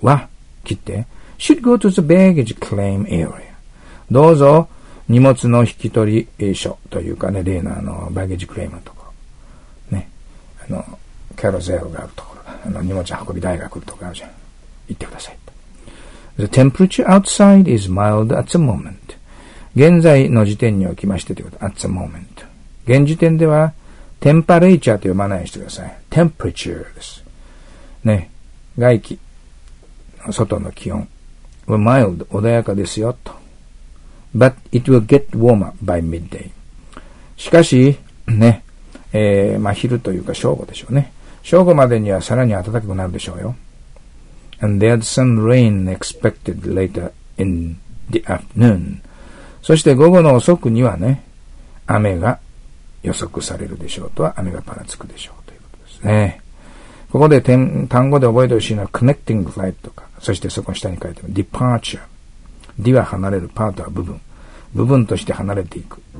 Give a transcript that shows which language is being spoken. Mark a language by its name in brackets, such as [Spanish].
[Japanese] わ、切って。 [English] Should go to the baggage claim area. [Japanese] どうぞ荷物の引き取り所というかね、例のあの、バゲージクレームのところ。ね。あの、キャロゼロがあるところ。あの、荷物運び台が来るところあるじゃん。行ってください。 [English] The temperature outside is mild at the moment. [Japanese] 現在の時点におきましてということ。 [English] at the moment. [Japanese] 現時点では、temperature と読まないようにしてください。 temperature です。ね。外気。外の気温。 [English] mild、 [Japanese] 穏やかですよ、と。 [English] But it will get warmer by midday. [Japanese] しかし、ね、まあ、昼というか正午でしょうね。正午までにはさらに暖かくなるでしょうよ。 [English] And there's some rain expected later in the afternoon. [Japanese] そして午後の遅くにはね、雨が予測されるでしょうとは、雨がぱらつくでしょうということですね。ここで単語で覚えてほしいのは connecting flight とか、そしてそこ下に書いてある departure。 D は離れる、パートは部分。部分として離れていく。